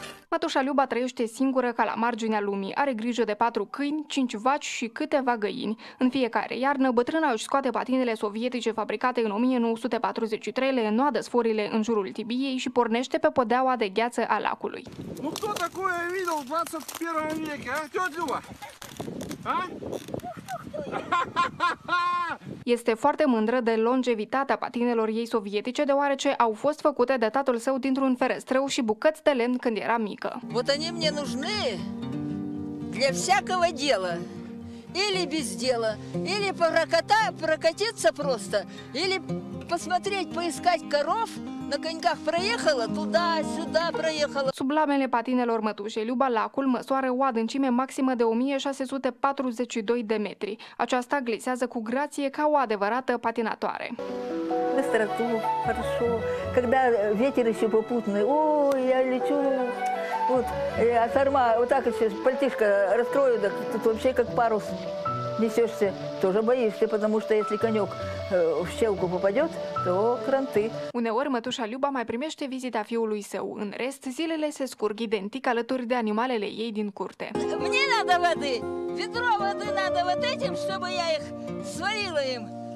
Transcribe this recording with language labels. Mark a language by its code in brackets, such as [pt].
[ro] Mătușa Liuba trăiește singură ca la marginea lumii. Are grijă de 4 câini, 5 vaci și câteva găini. În fiecare iarnă, bătrâna își scoate patinele sovietice fabricate în 1943, le înnoadă sforile în jurul tibiei și pornește pe podeaua de gheață a lacului. Nu tot [ru] такое я видел в 21 веке, а? Тётя Люба. А? [ro] Este foarte mândră de longevitatea patinelor ei sovietice, deoarece au fost făcute de tatăl său dintr-un ferestreu și bucăți de lemn când era mică. [ru] Вот они мне нужны для всякого дела. Или без дела, или прокатиться просто, или посмотреть, поискать коров. На коньках проехала, туда-сюда проехала. [ro] Sub lamele patinelor mătușei Liuba, lacul măsoară o adâncime maximă de 1642 de metri. Aceasta glisează cu grație ca o adevărată patinatoare. [ru] Быстроту, хорошо. Когда ветер еще попутный, о, я лечу. Вот, я сама, вот так еще пальтишко раскрою, так тут вообще как парус несешься. Тоже боишься, потому что если конек в щелку попадет, то кранты. [ro] Uneori mătușa Liuba mai primește vizita fiului său. În rest, zilele se scurg identic alături de animalele ei din curte. [ru] Мне надо воды, ведро воды надо вот этим, чтобы я их сварила им.